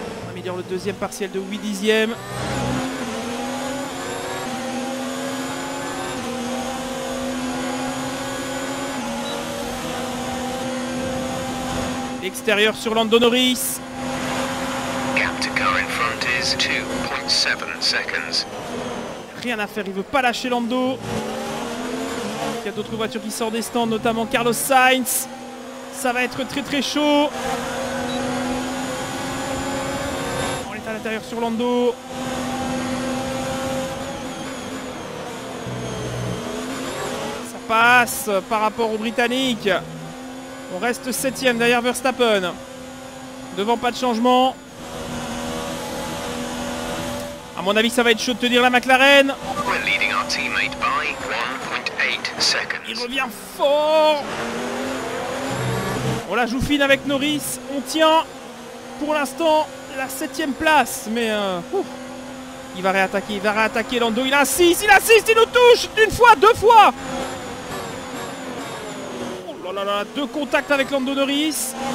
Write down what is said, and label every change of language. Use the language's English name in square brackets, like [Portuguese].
[French] Améliore le deuxième partiel de 8 dixièmes. L'extérieur sur Lando Norris. [English] Gap to car in front is 2.7 seconds. [French] Rien à faire, il veut pas lâcher Lando. Il y a d'autres voitures qui sortent des stands, notamment Carlos Sainz. Ça va être très très chaud. On est à l'intérieur sur Lando. Ça passe par rapport aux Britanniques. On reste 7ème derrière Verstappen. Devant, pas de changement. A mon avis, ça va être chaud de tenir la McLaren. [English] We're leading our teammate by 1.8 seconds. [French] Il revient fort. On la joue fine avec Norris. On tient pour l'instant la 7ème place. Mais il va réattaquer Lando. Il assiste, il nous touche d'une fois, deux fois. Oh là là, deux contacts avec Lando Norris.